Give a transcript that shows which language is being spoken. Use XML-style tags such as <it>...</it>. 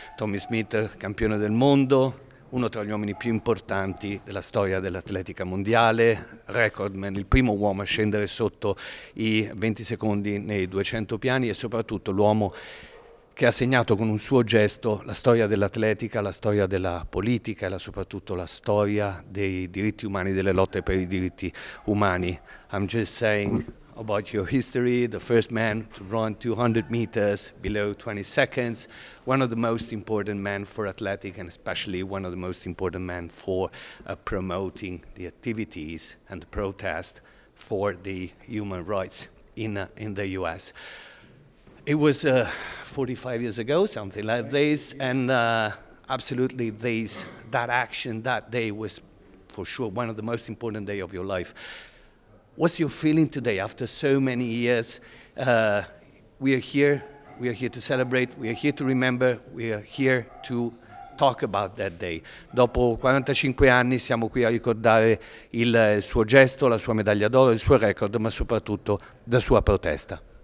<it>Tommie Smith, campione del mondo, uno tra gli uomini più importanti della storia dell'atletica mondiale, recordman, il primo uomo a scendere sotto i 20 secondi nei 200 piani e soprattutto l'uomo che ha segnato con un suo gesto la storia dell'atletica, la storia della politica e soprattutto la storia dei diritti umani, delle lotte per i diritti umani.</it> <en>I'm just saying about your history, the first man to run 200 meters below 20 seconds, one of the most important men for athletic and especially one of the most important men for promoting the activities and the protest for the human rights in the US. It was 45 years ago, something like this, and absolutely this, that action that day was for sure one of the most important days of your life. What's your feeling today after so many years? We are here to celebrate, we are here to remember, we are here to talk about that day.</en> <it>Dopo 45 anni siamo qui a ricordare il suo gesto, la sua medaglia d'oro, il suo record, ma soprattutto la sua protesta.</it>